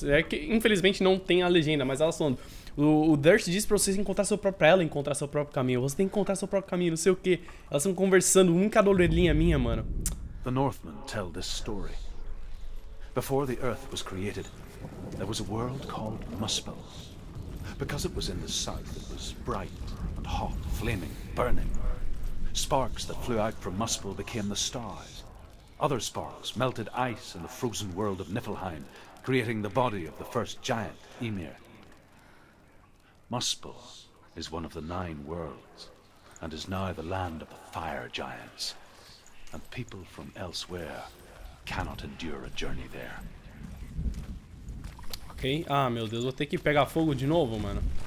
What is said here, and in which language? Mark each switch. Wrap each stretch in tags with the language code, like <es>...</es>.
<pt>É que, infelizmente, não tem a legenda, mas elas falando. O Durst diz pra vocês encontrar seu próprio... Pra ela encontrar seu próprio caminho. Você tem que encontrar seu próprio caminho, não sei o quê. Elas estão conversando, um em cada orelhinha minha, mano.</pt> <en>The Northmen tell this story. Before the Earth was created, there was a world called Muspel. Because it was in the south, it was bright and hot, flaming, burning. Sparks that flew out from Muspel became the stars. Other sparks melted ice in the frozen world of Niflheim, creating the body of the first giant, Ymir. Muspel is one of the nine worlds, and is now the land of the fire giants. And people from elsewhere cannot endure a journey there. Ok.</en> <pt>Ah, meu Deus, vou ter que pegar fogo de novo, mano.</pt>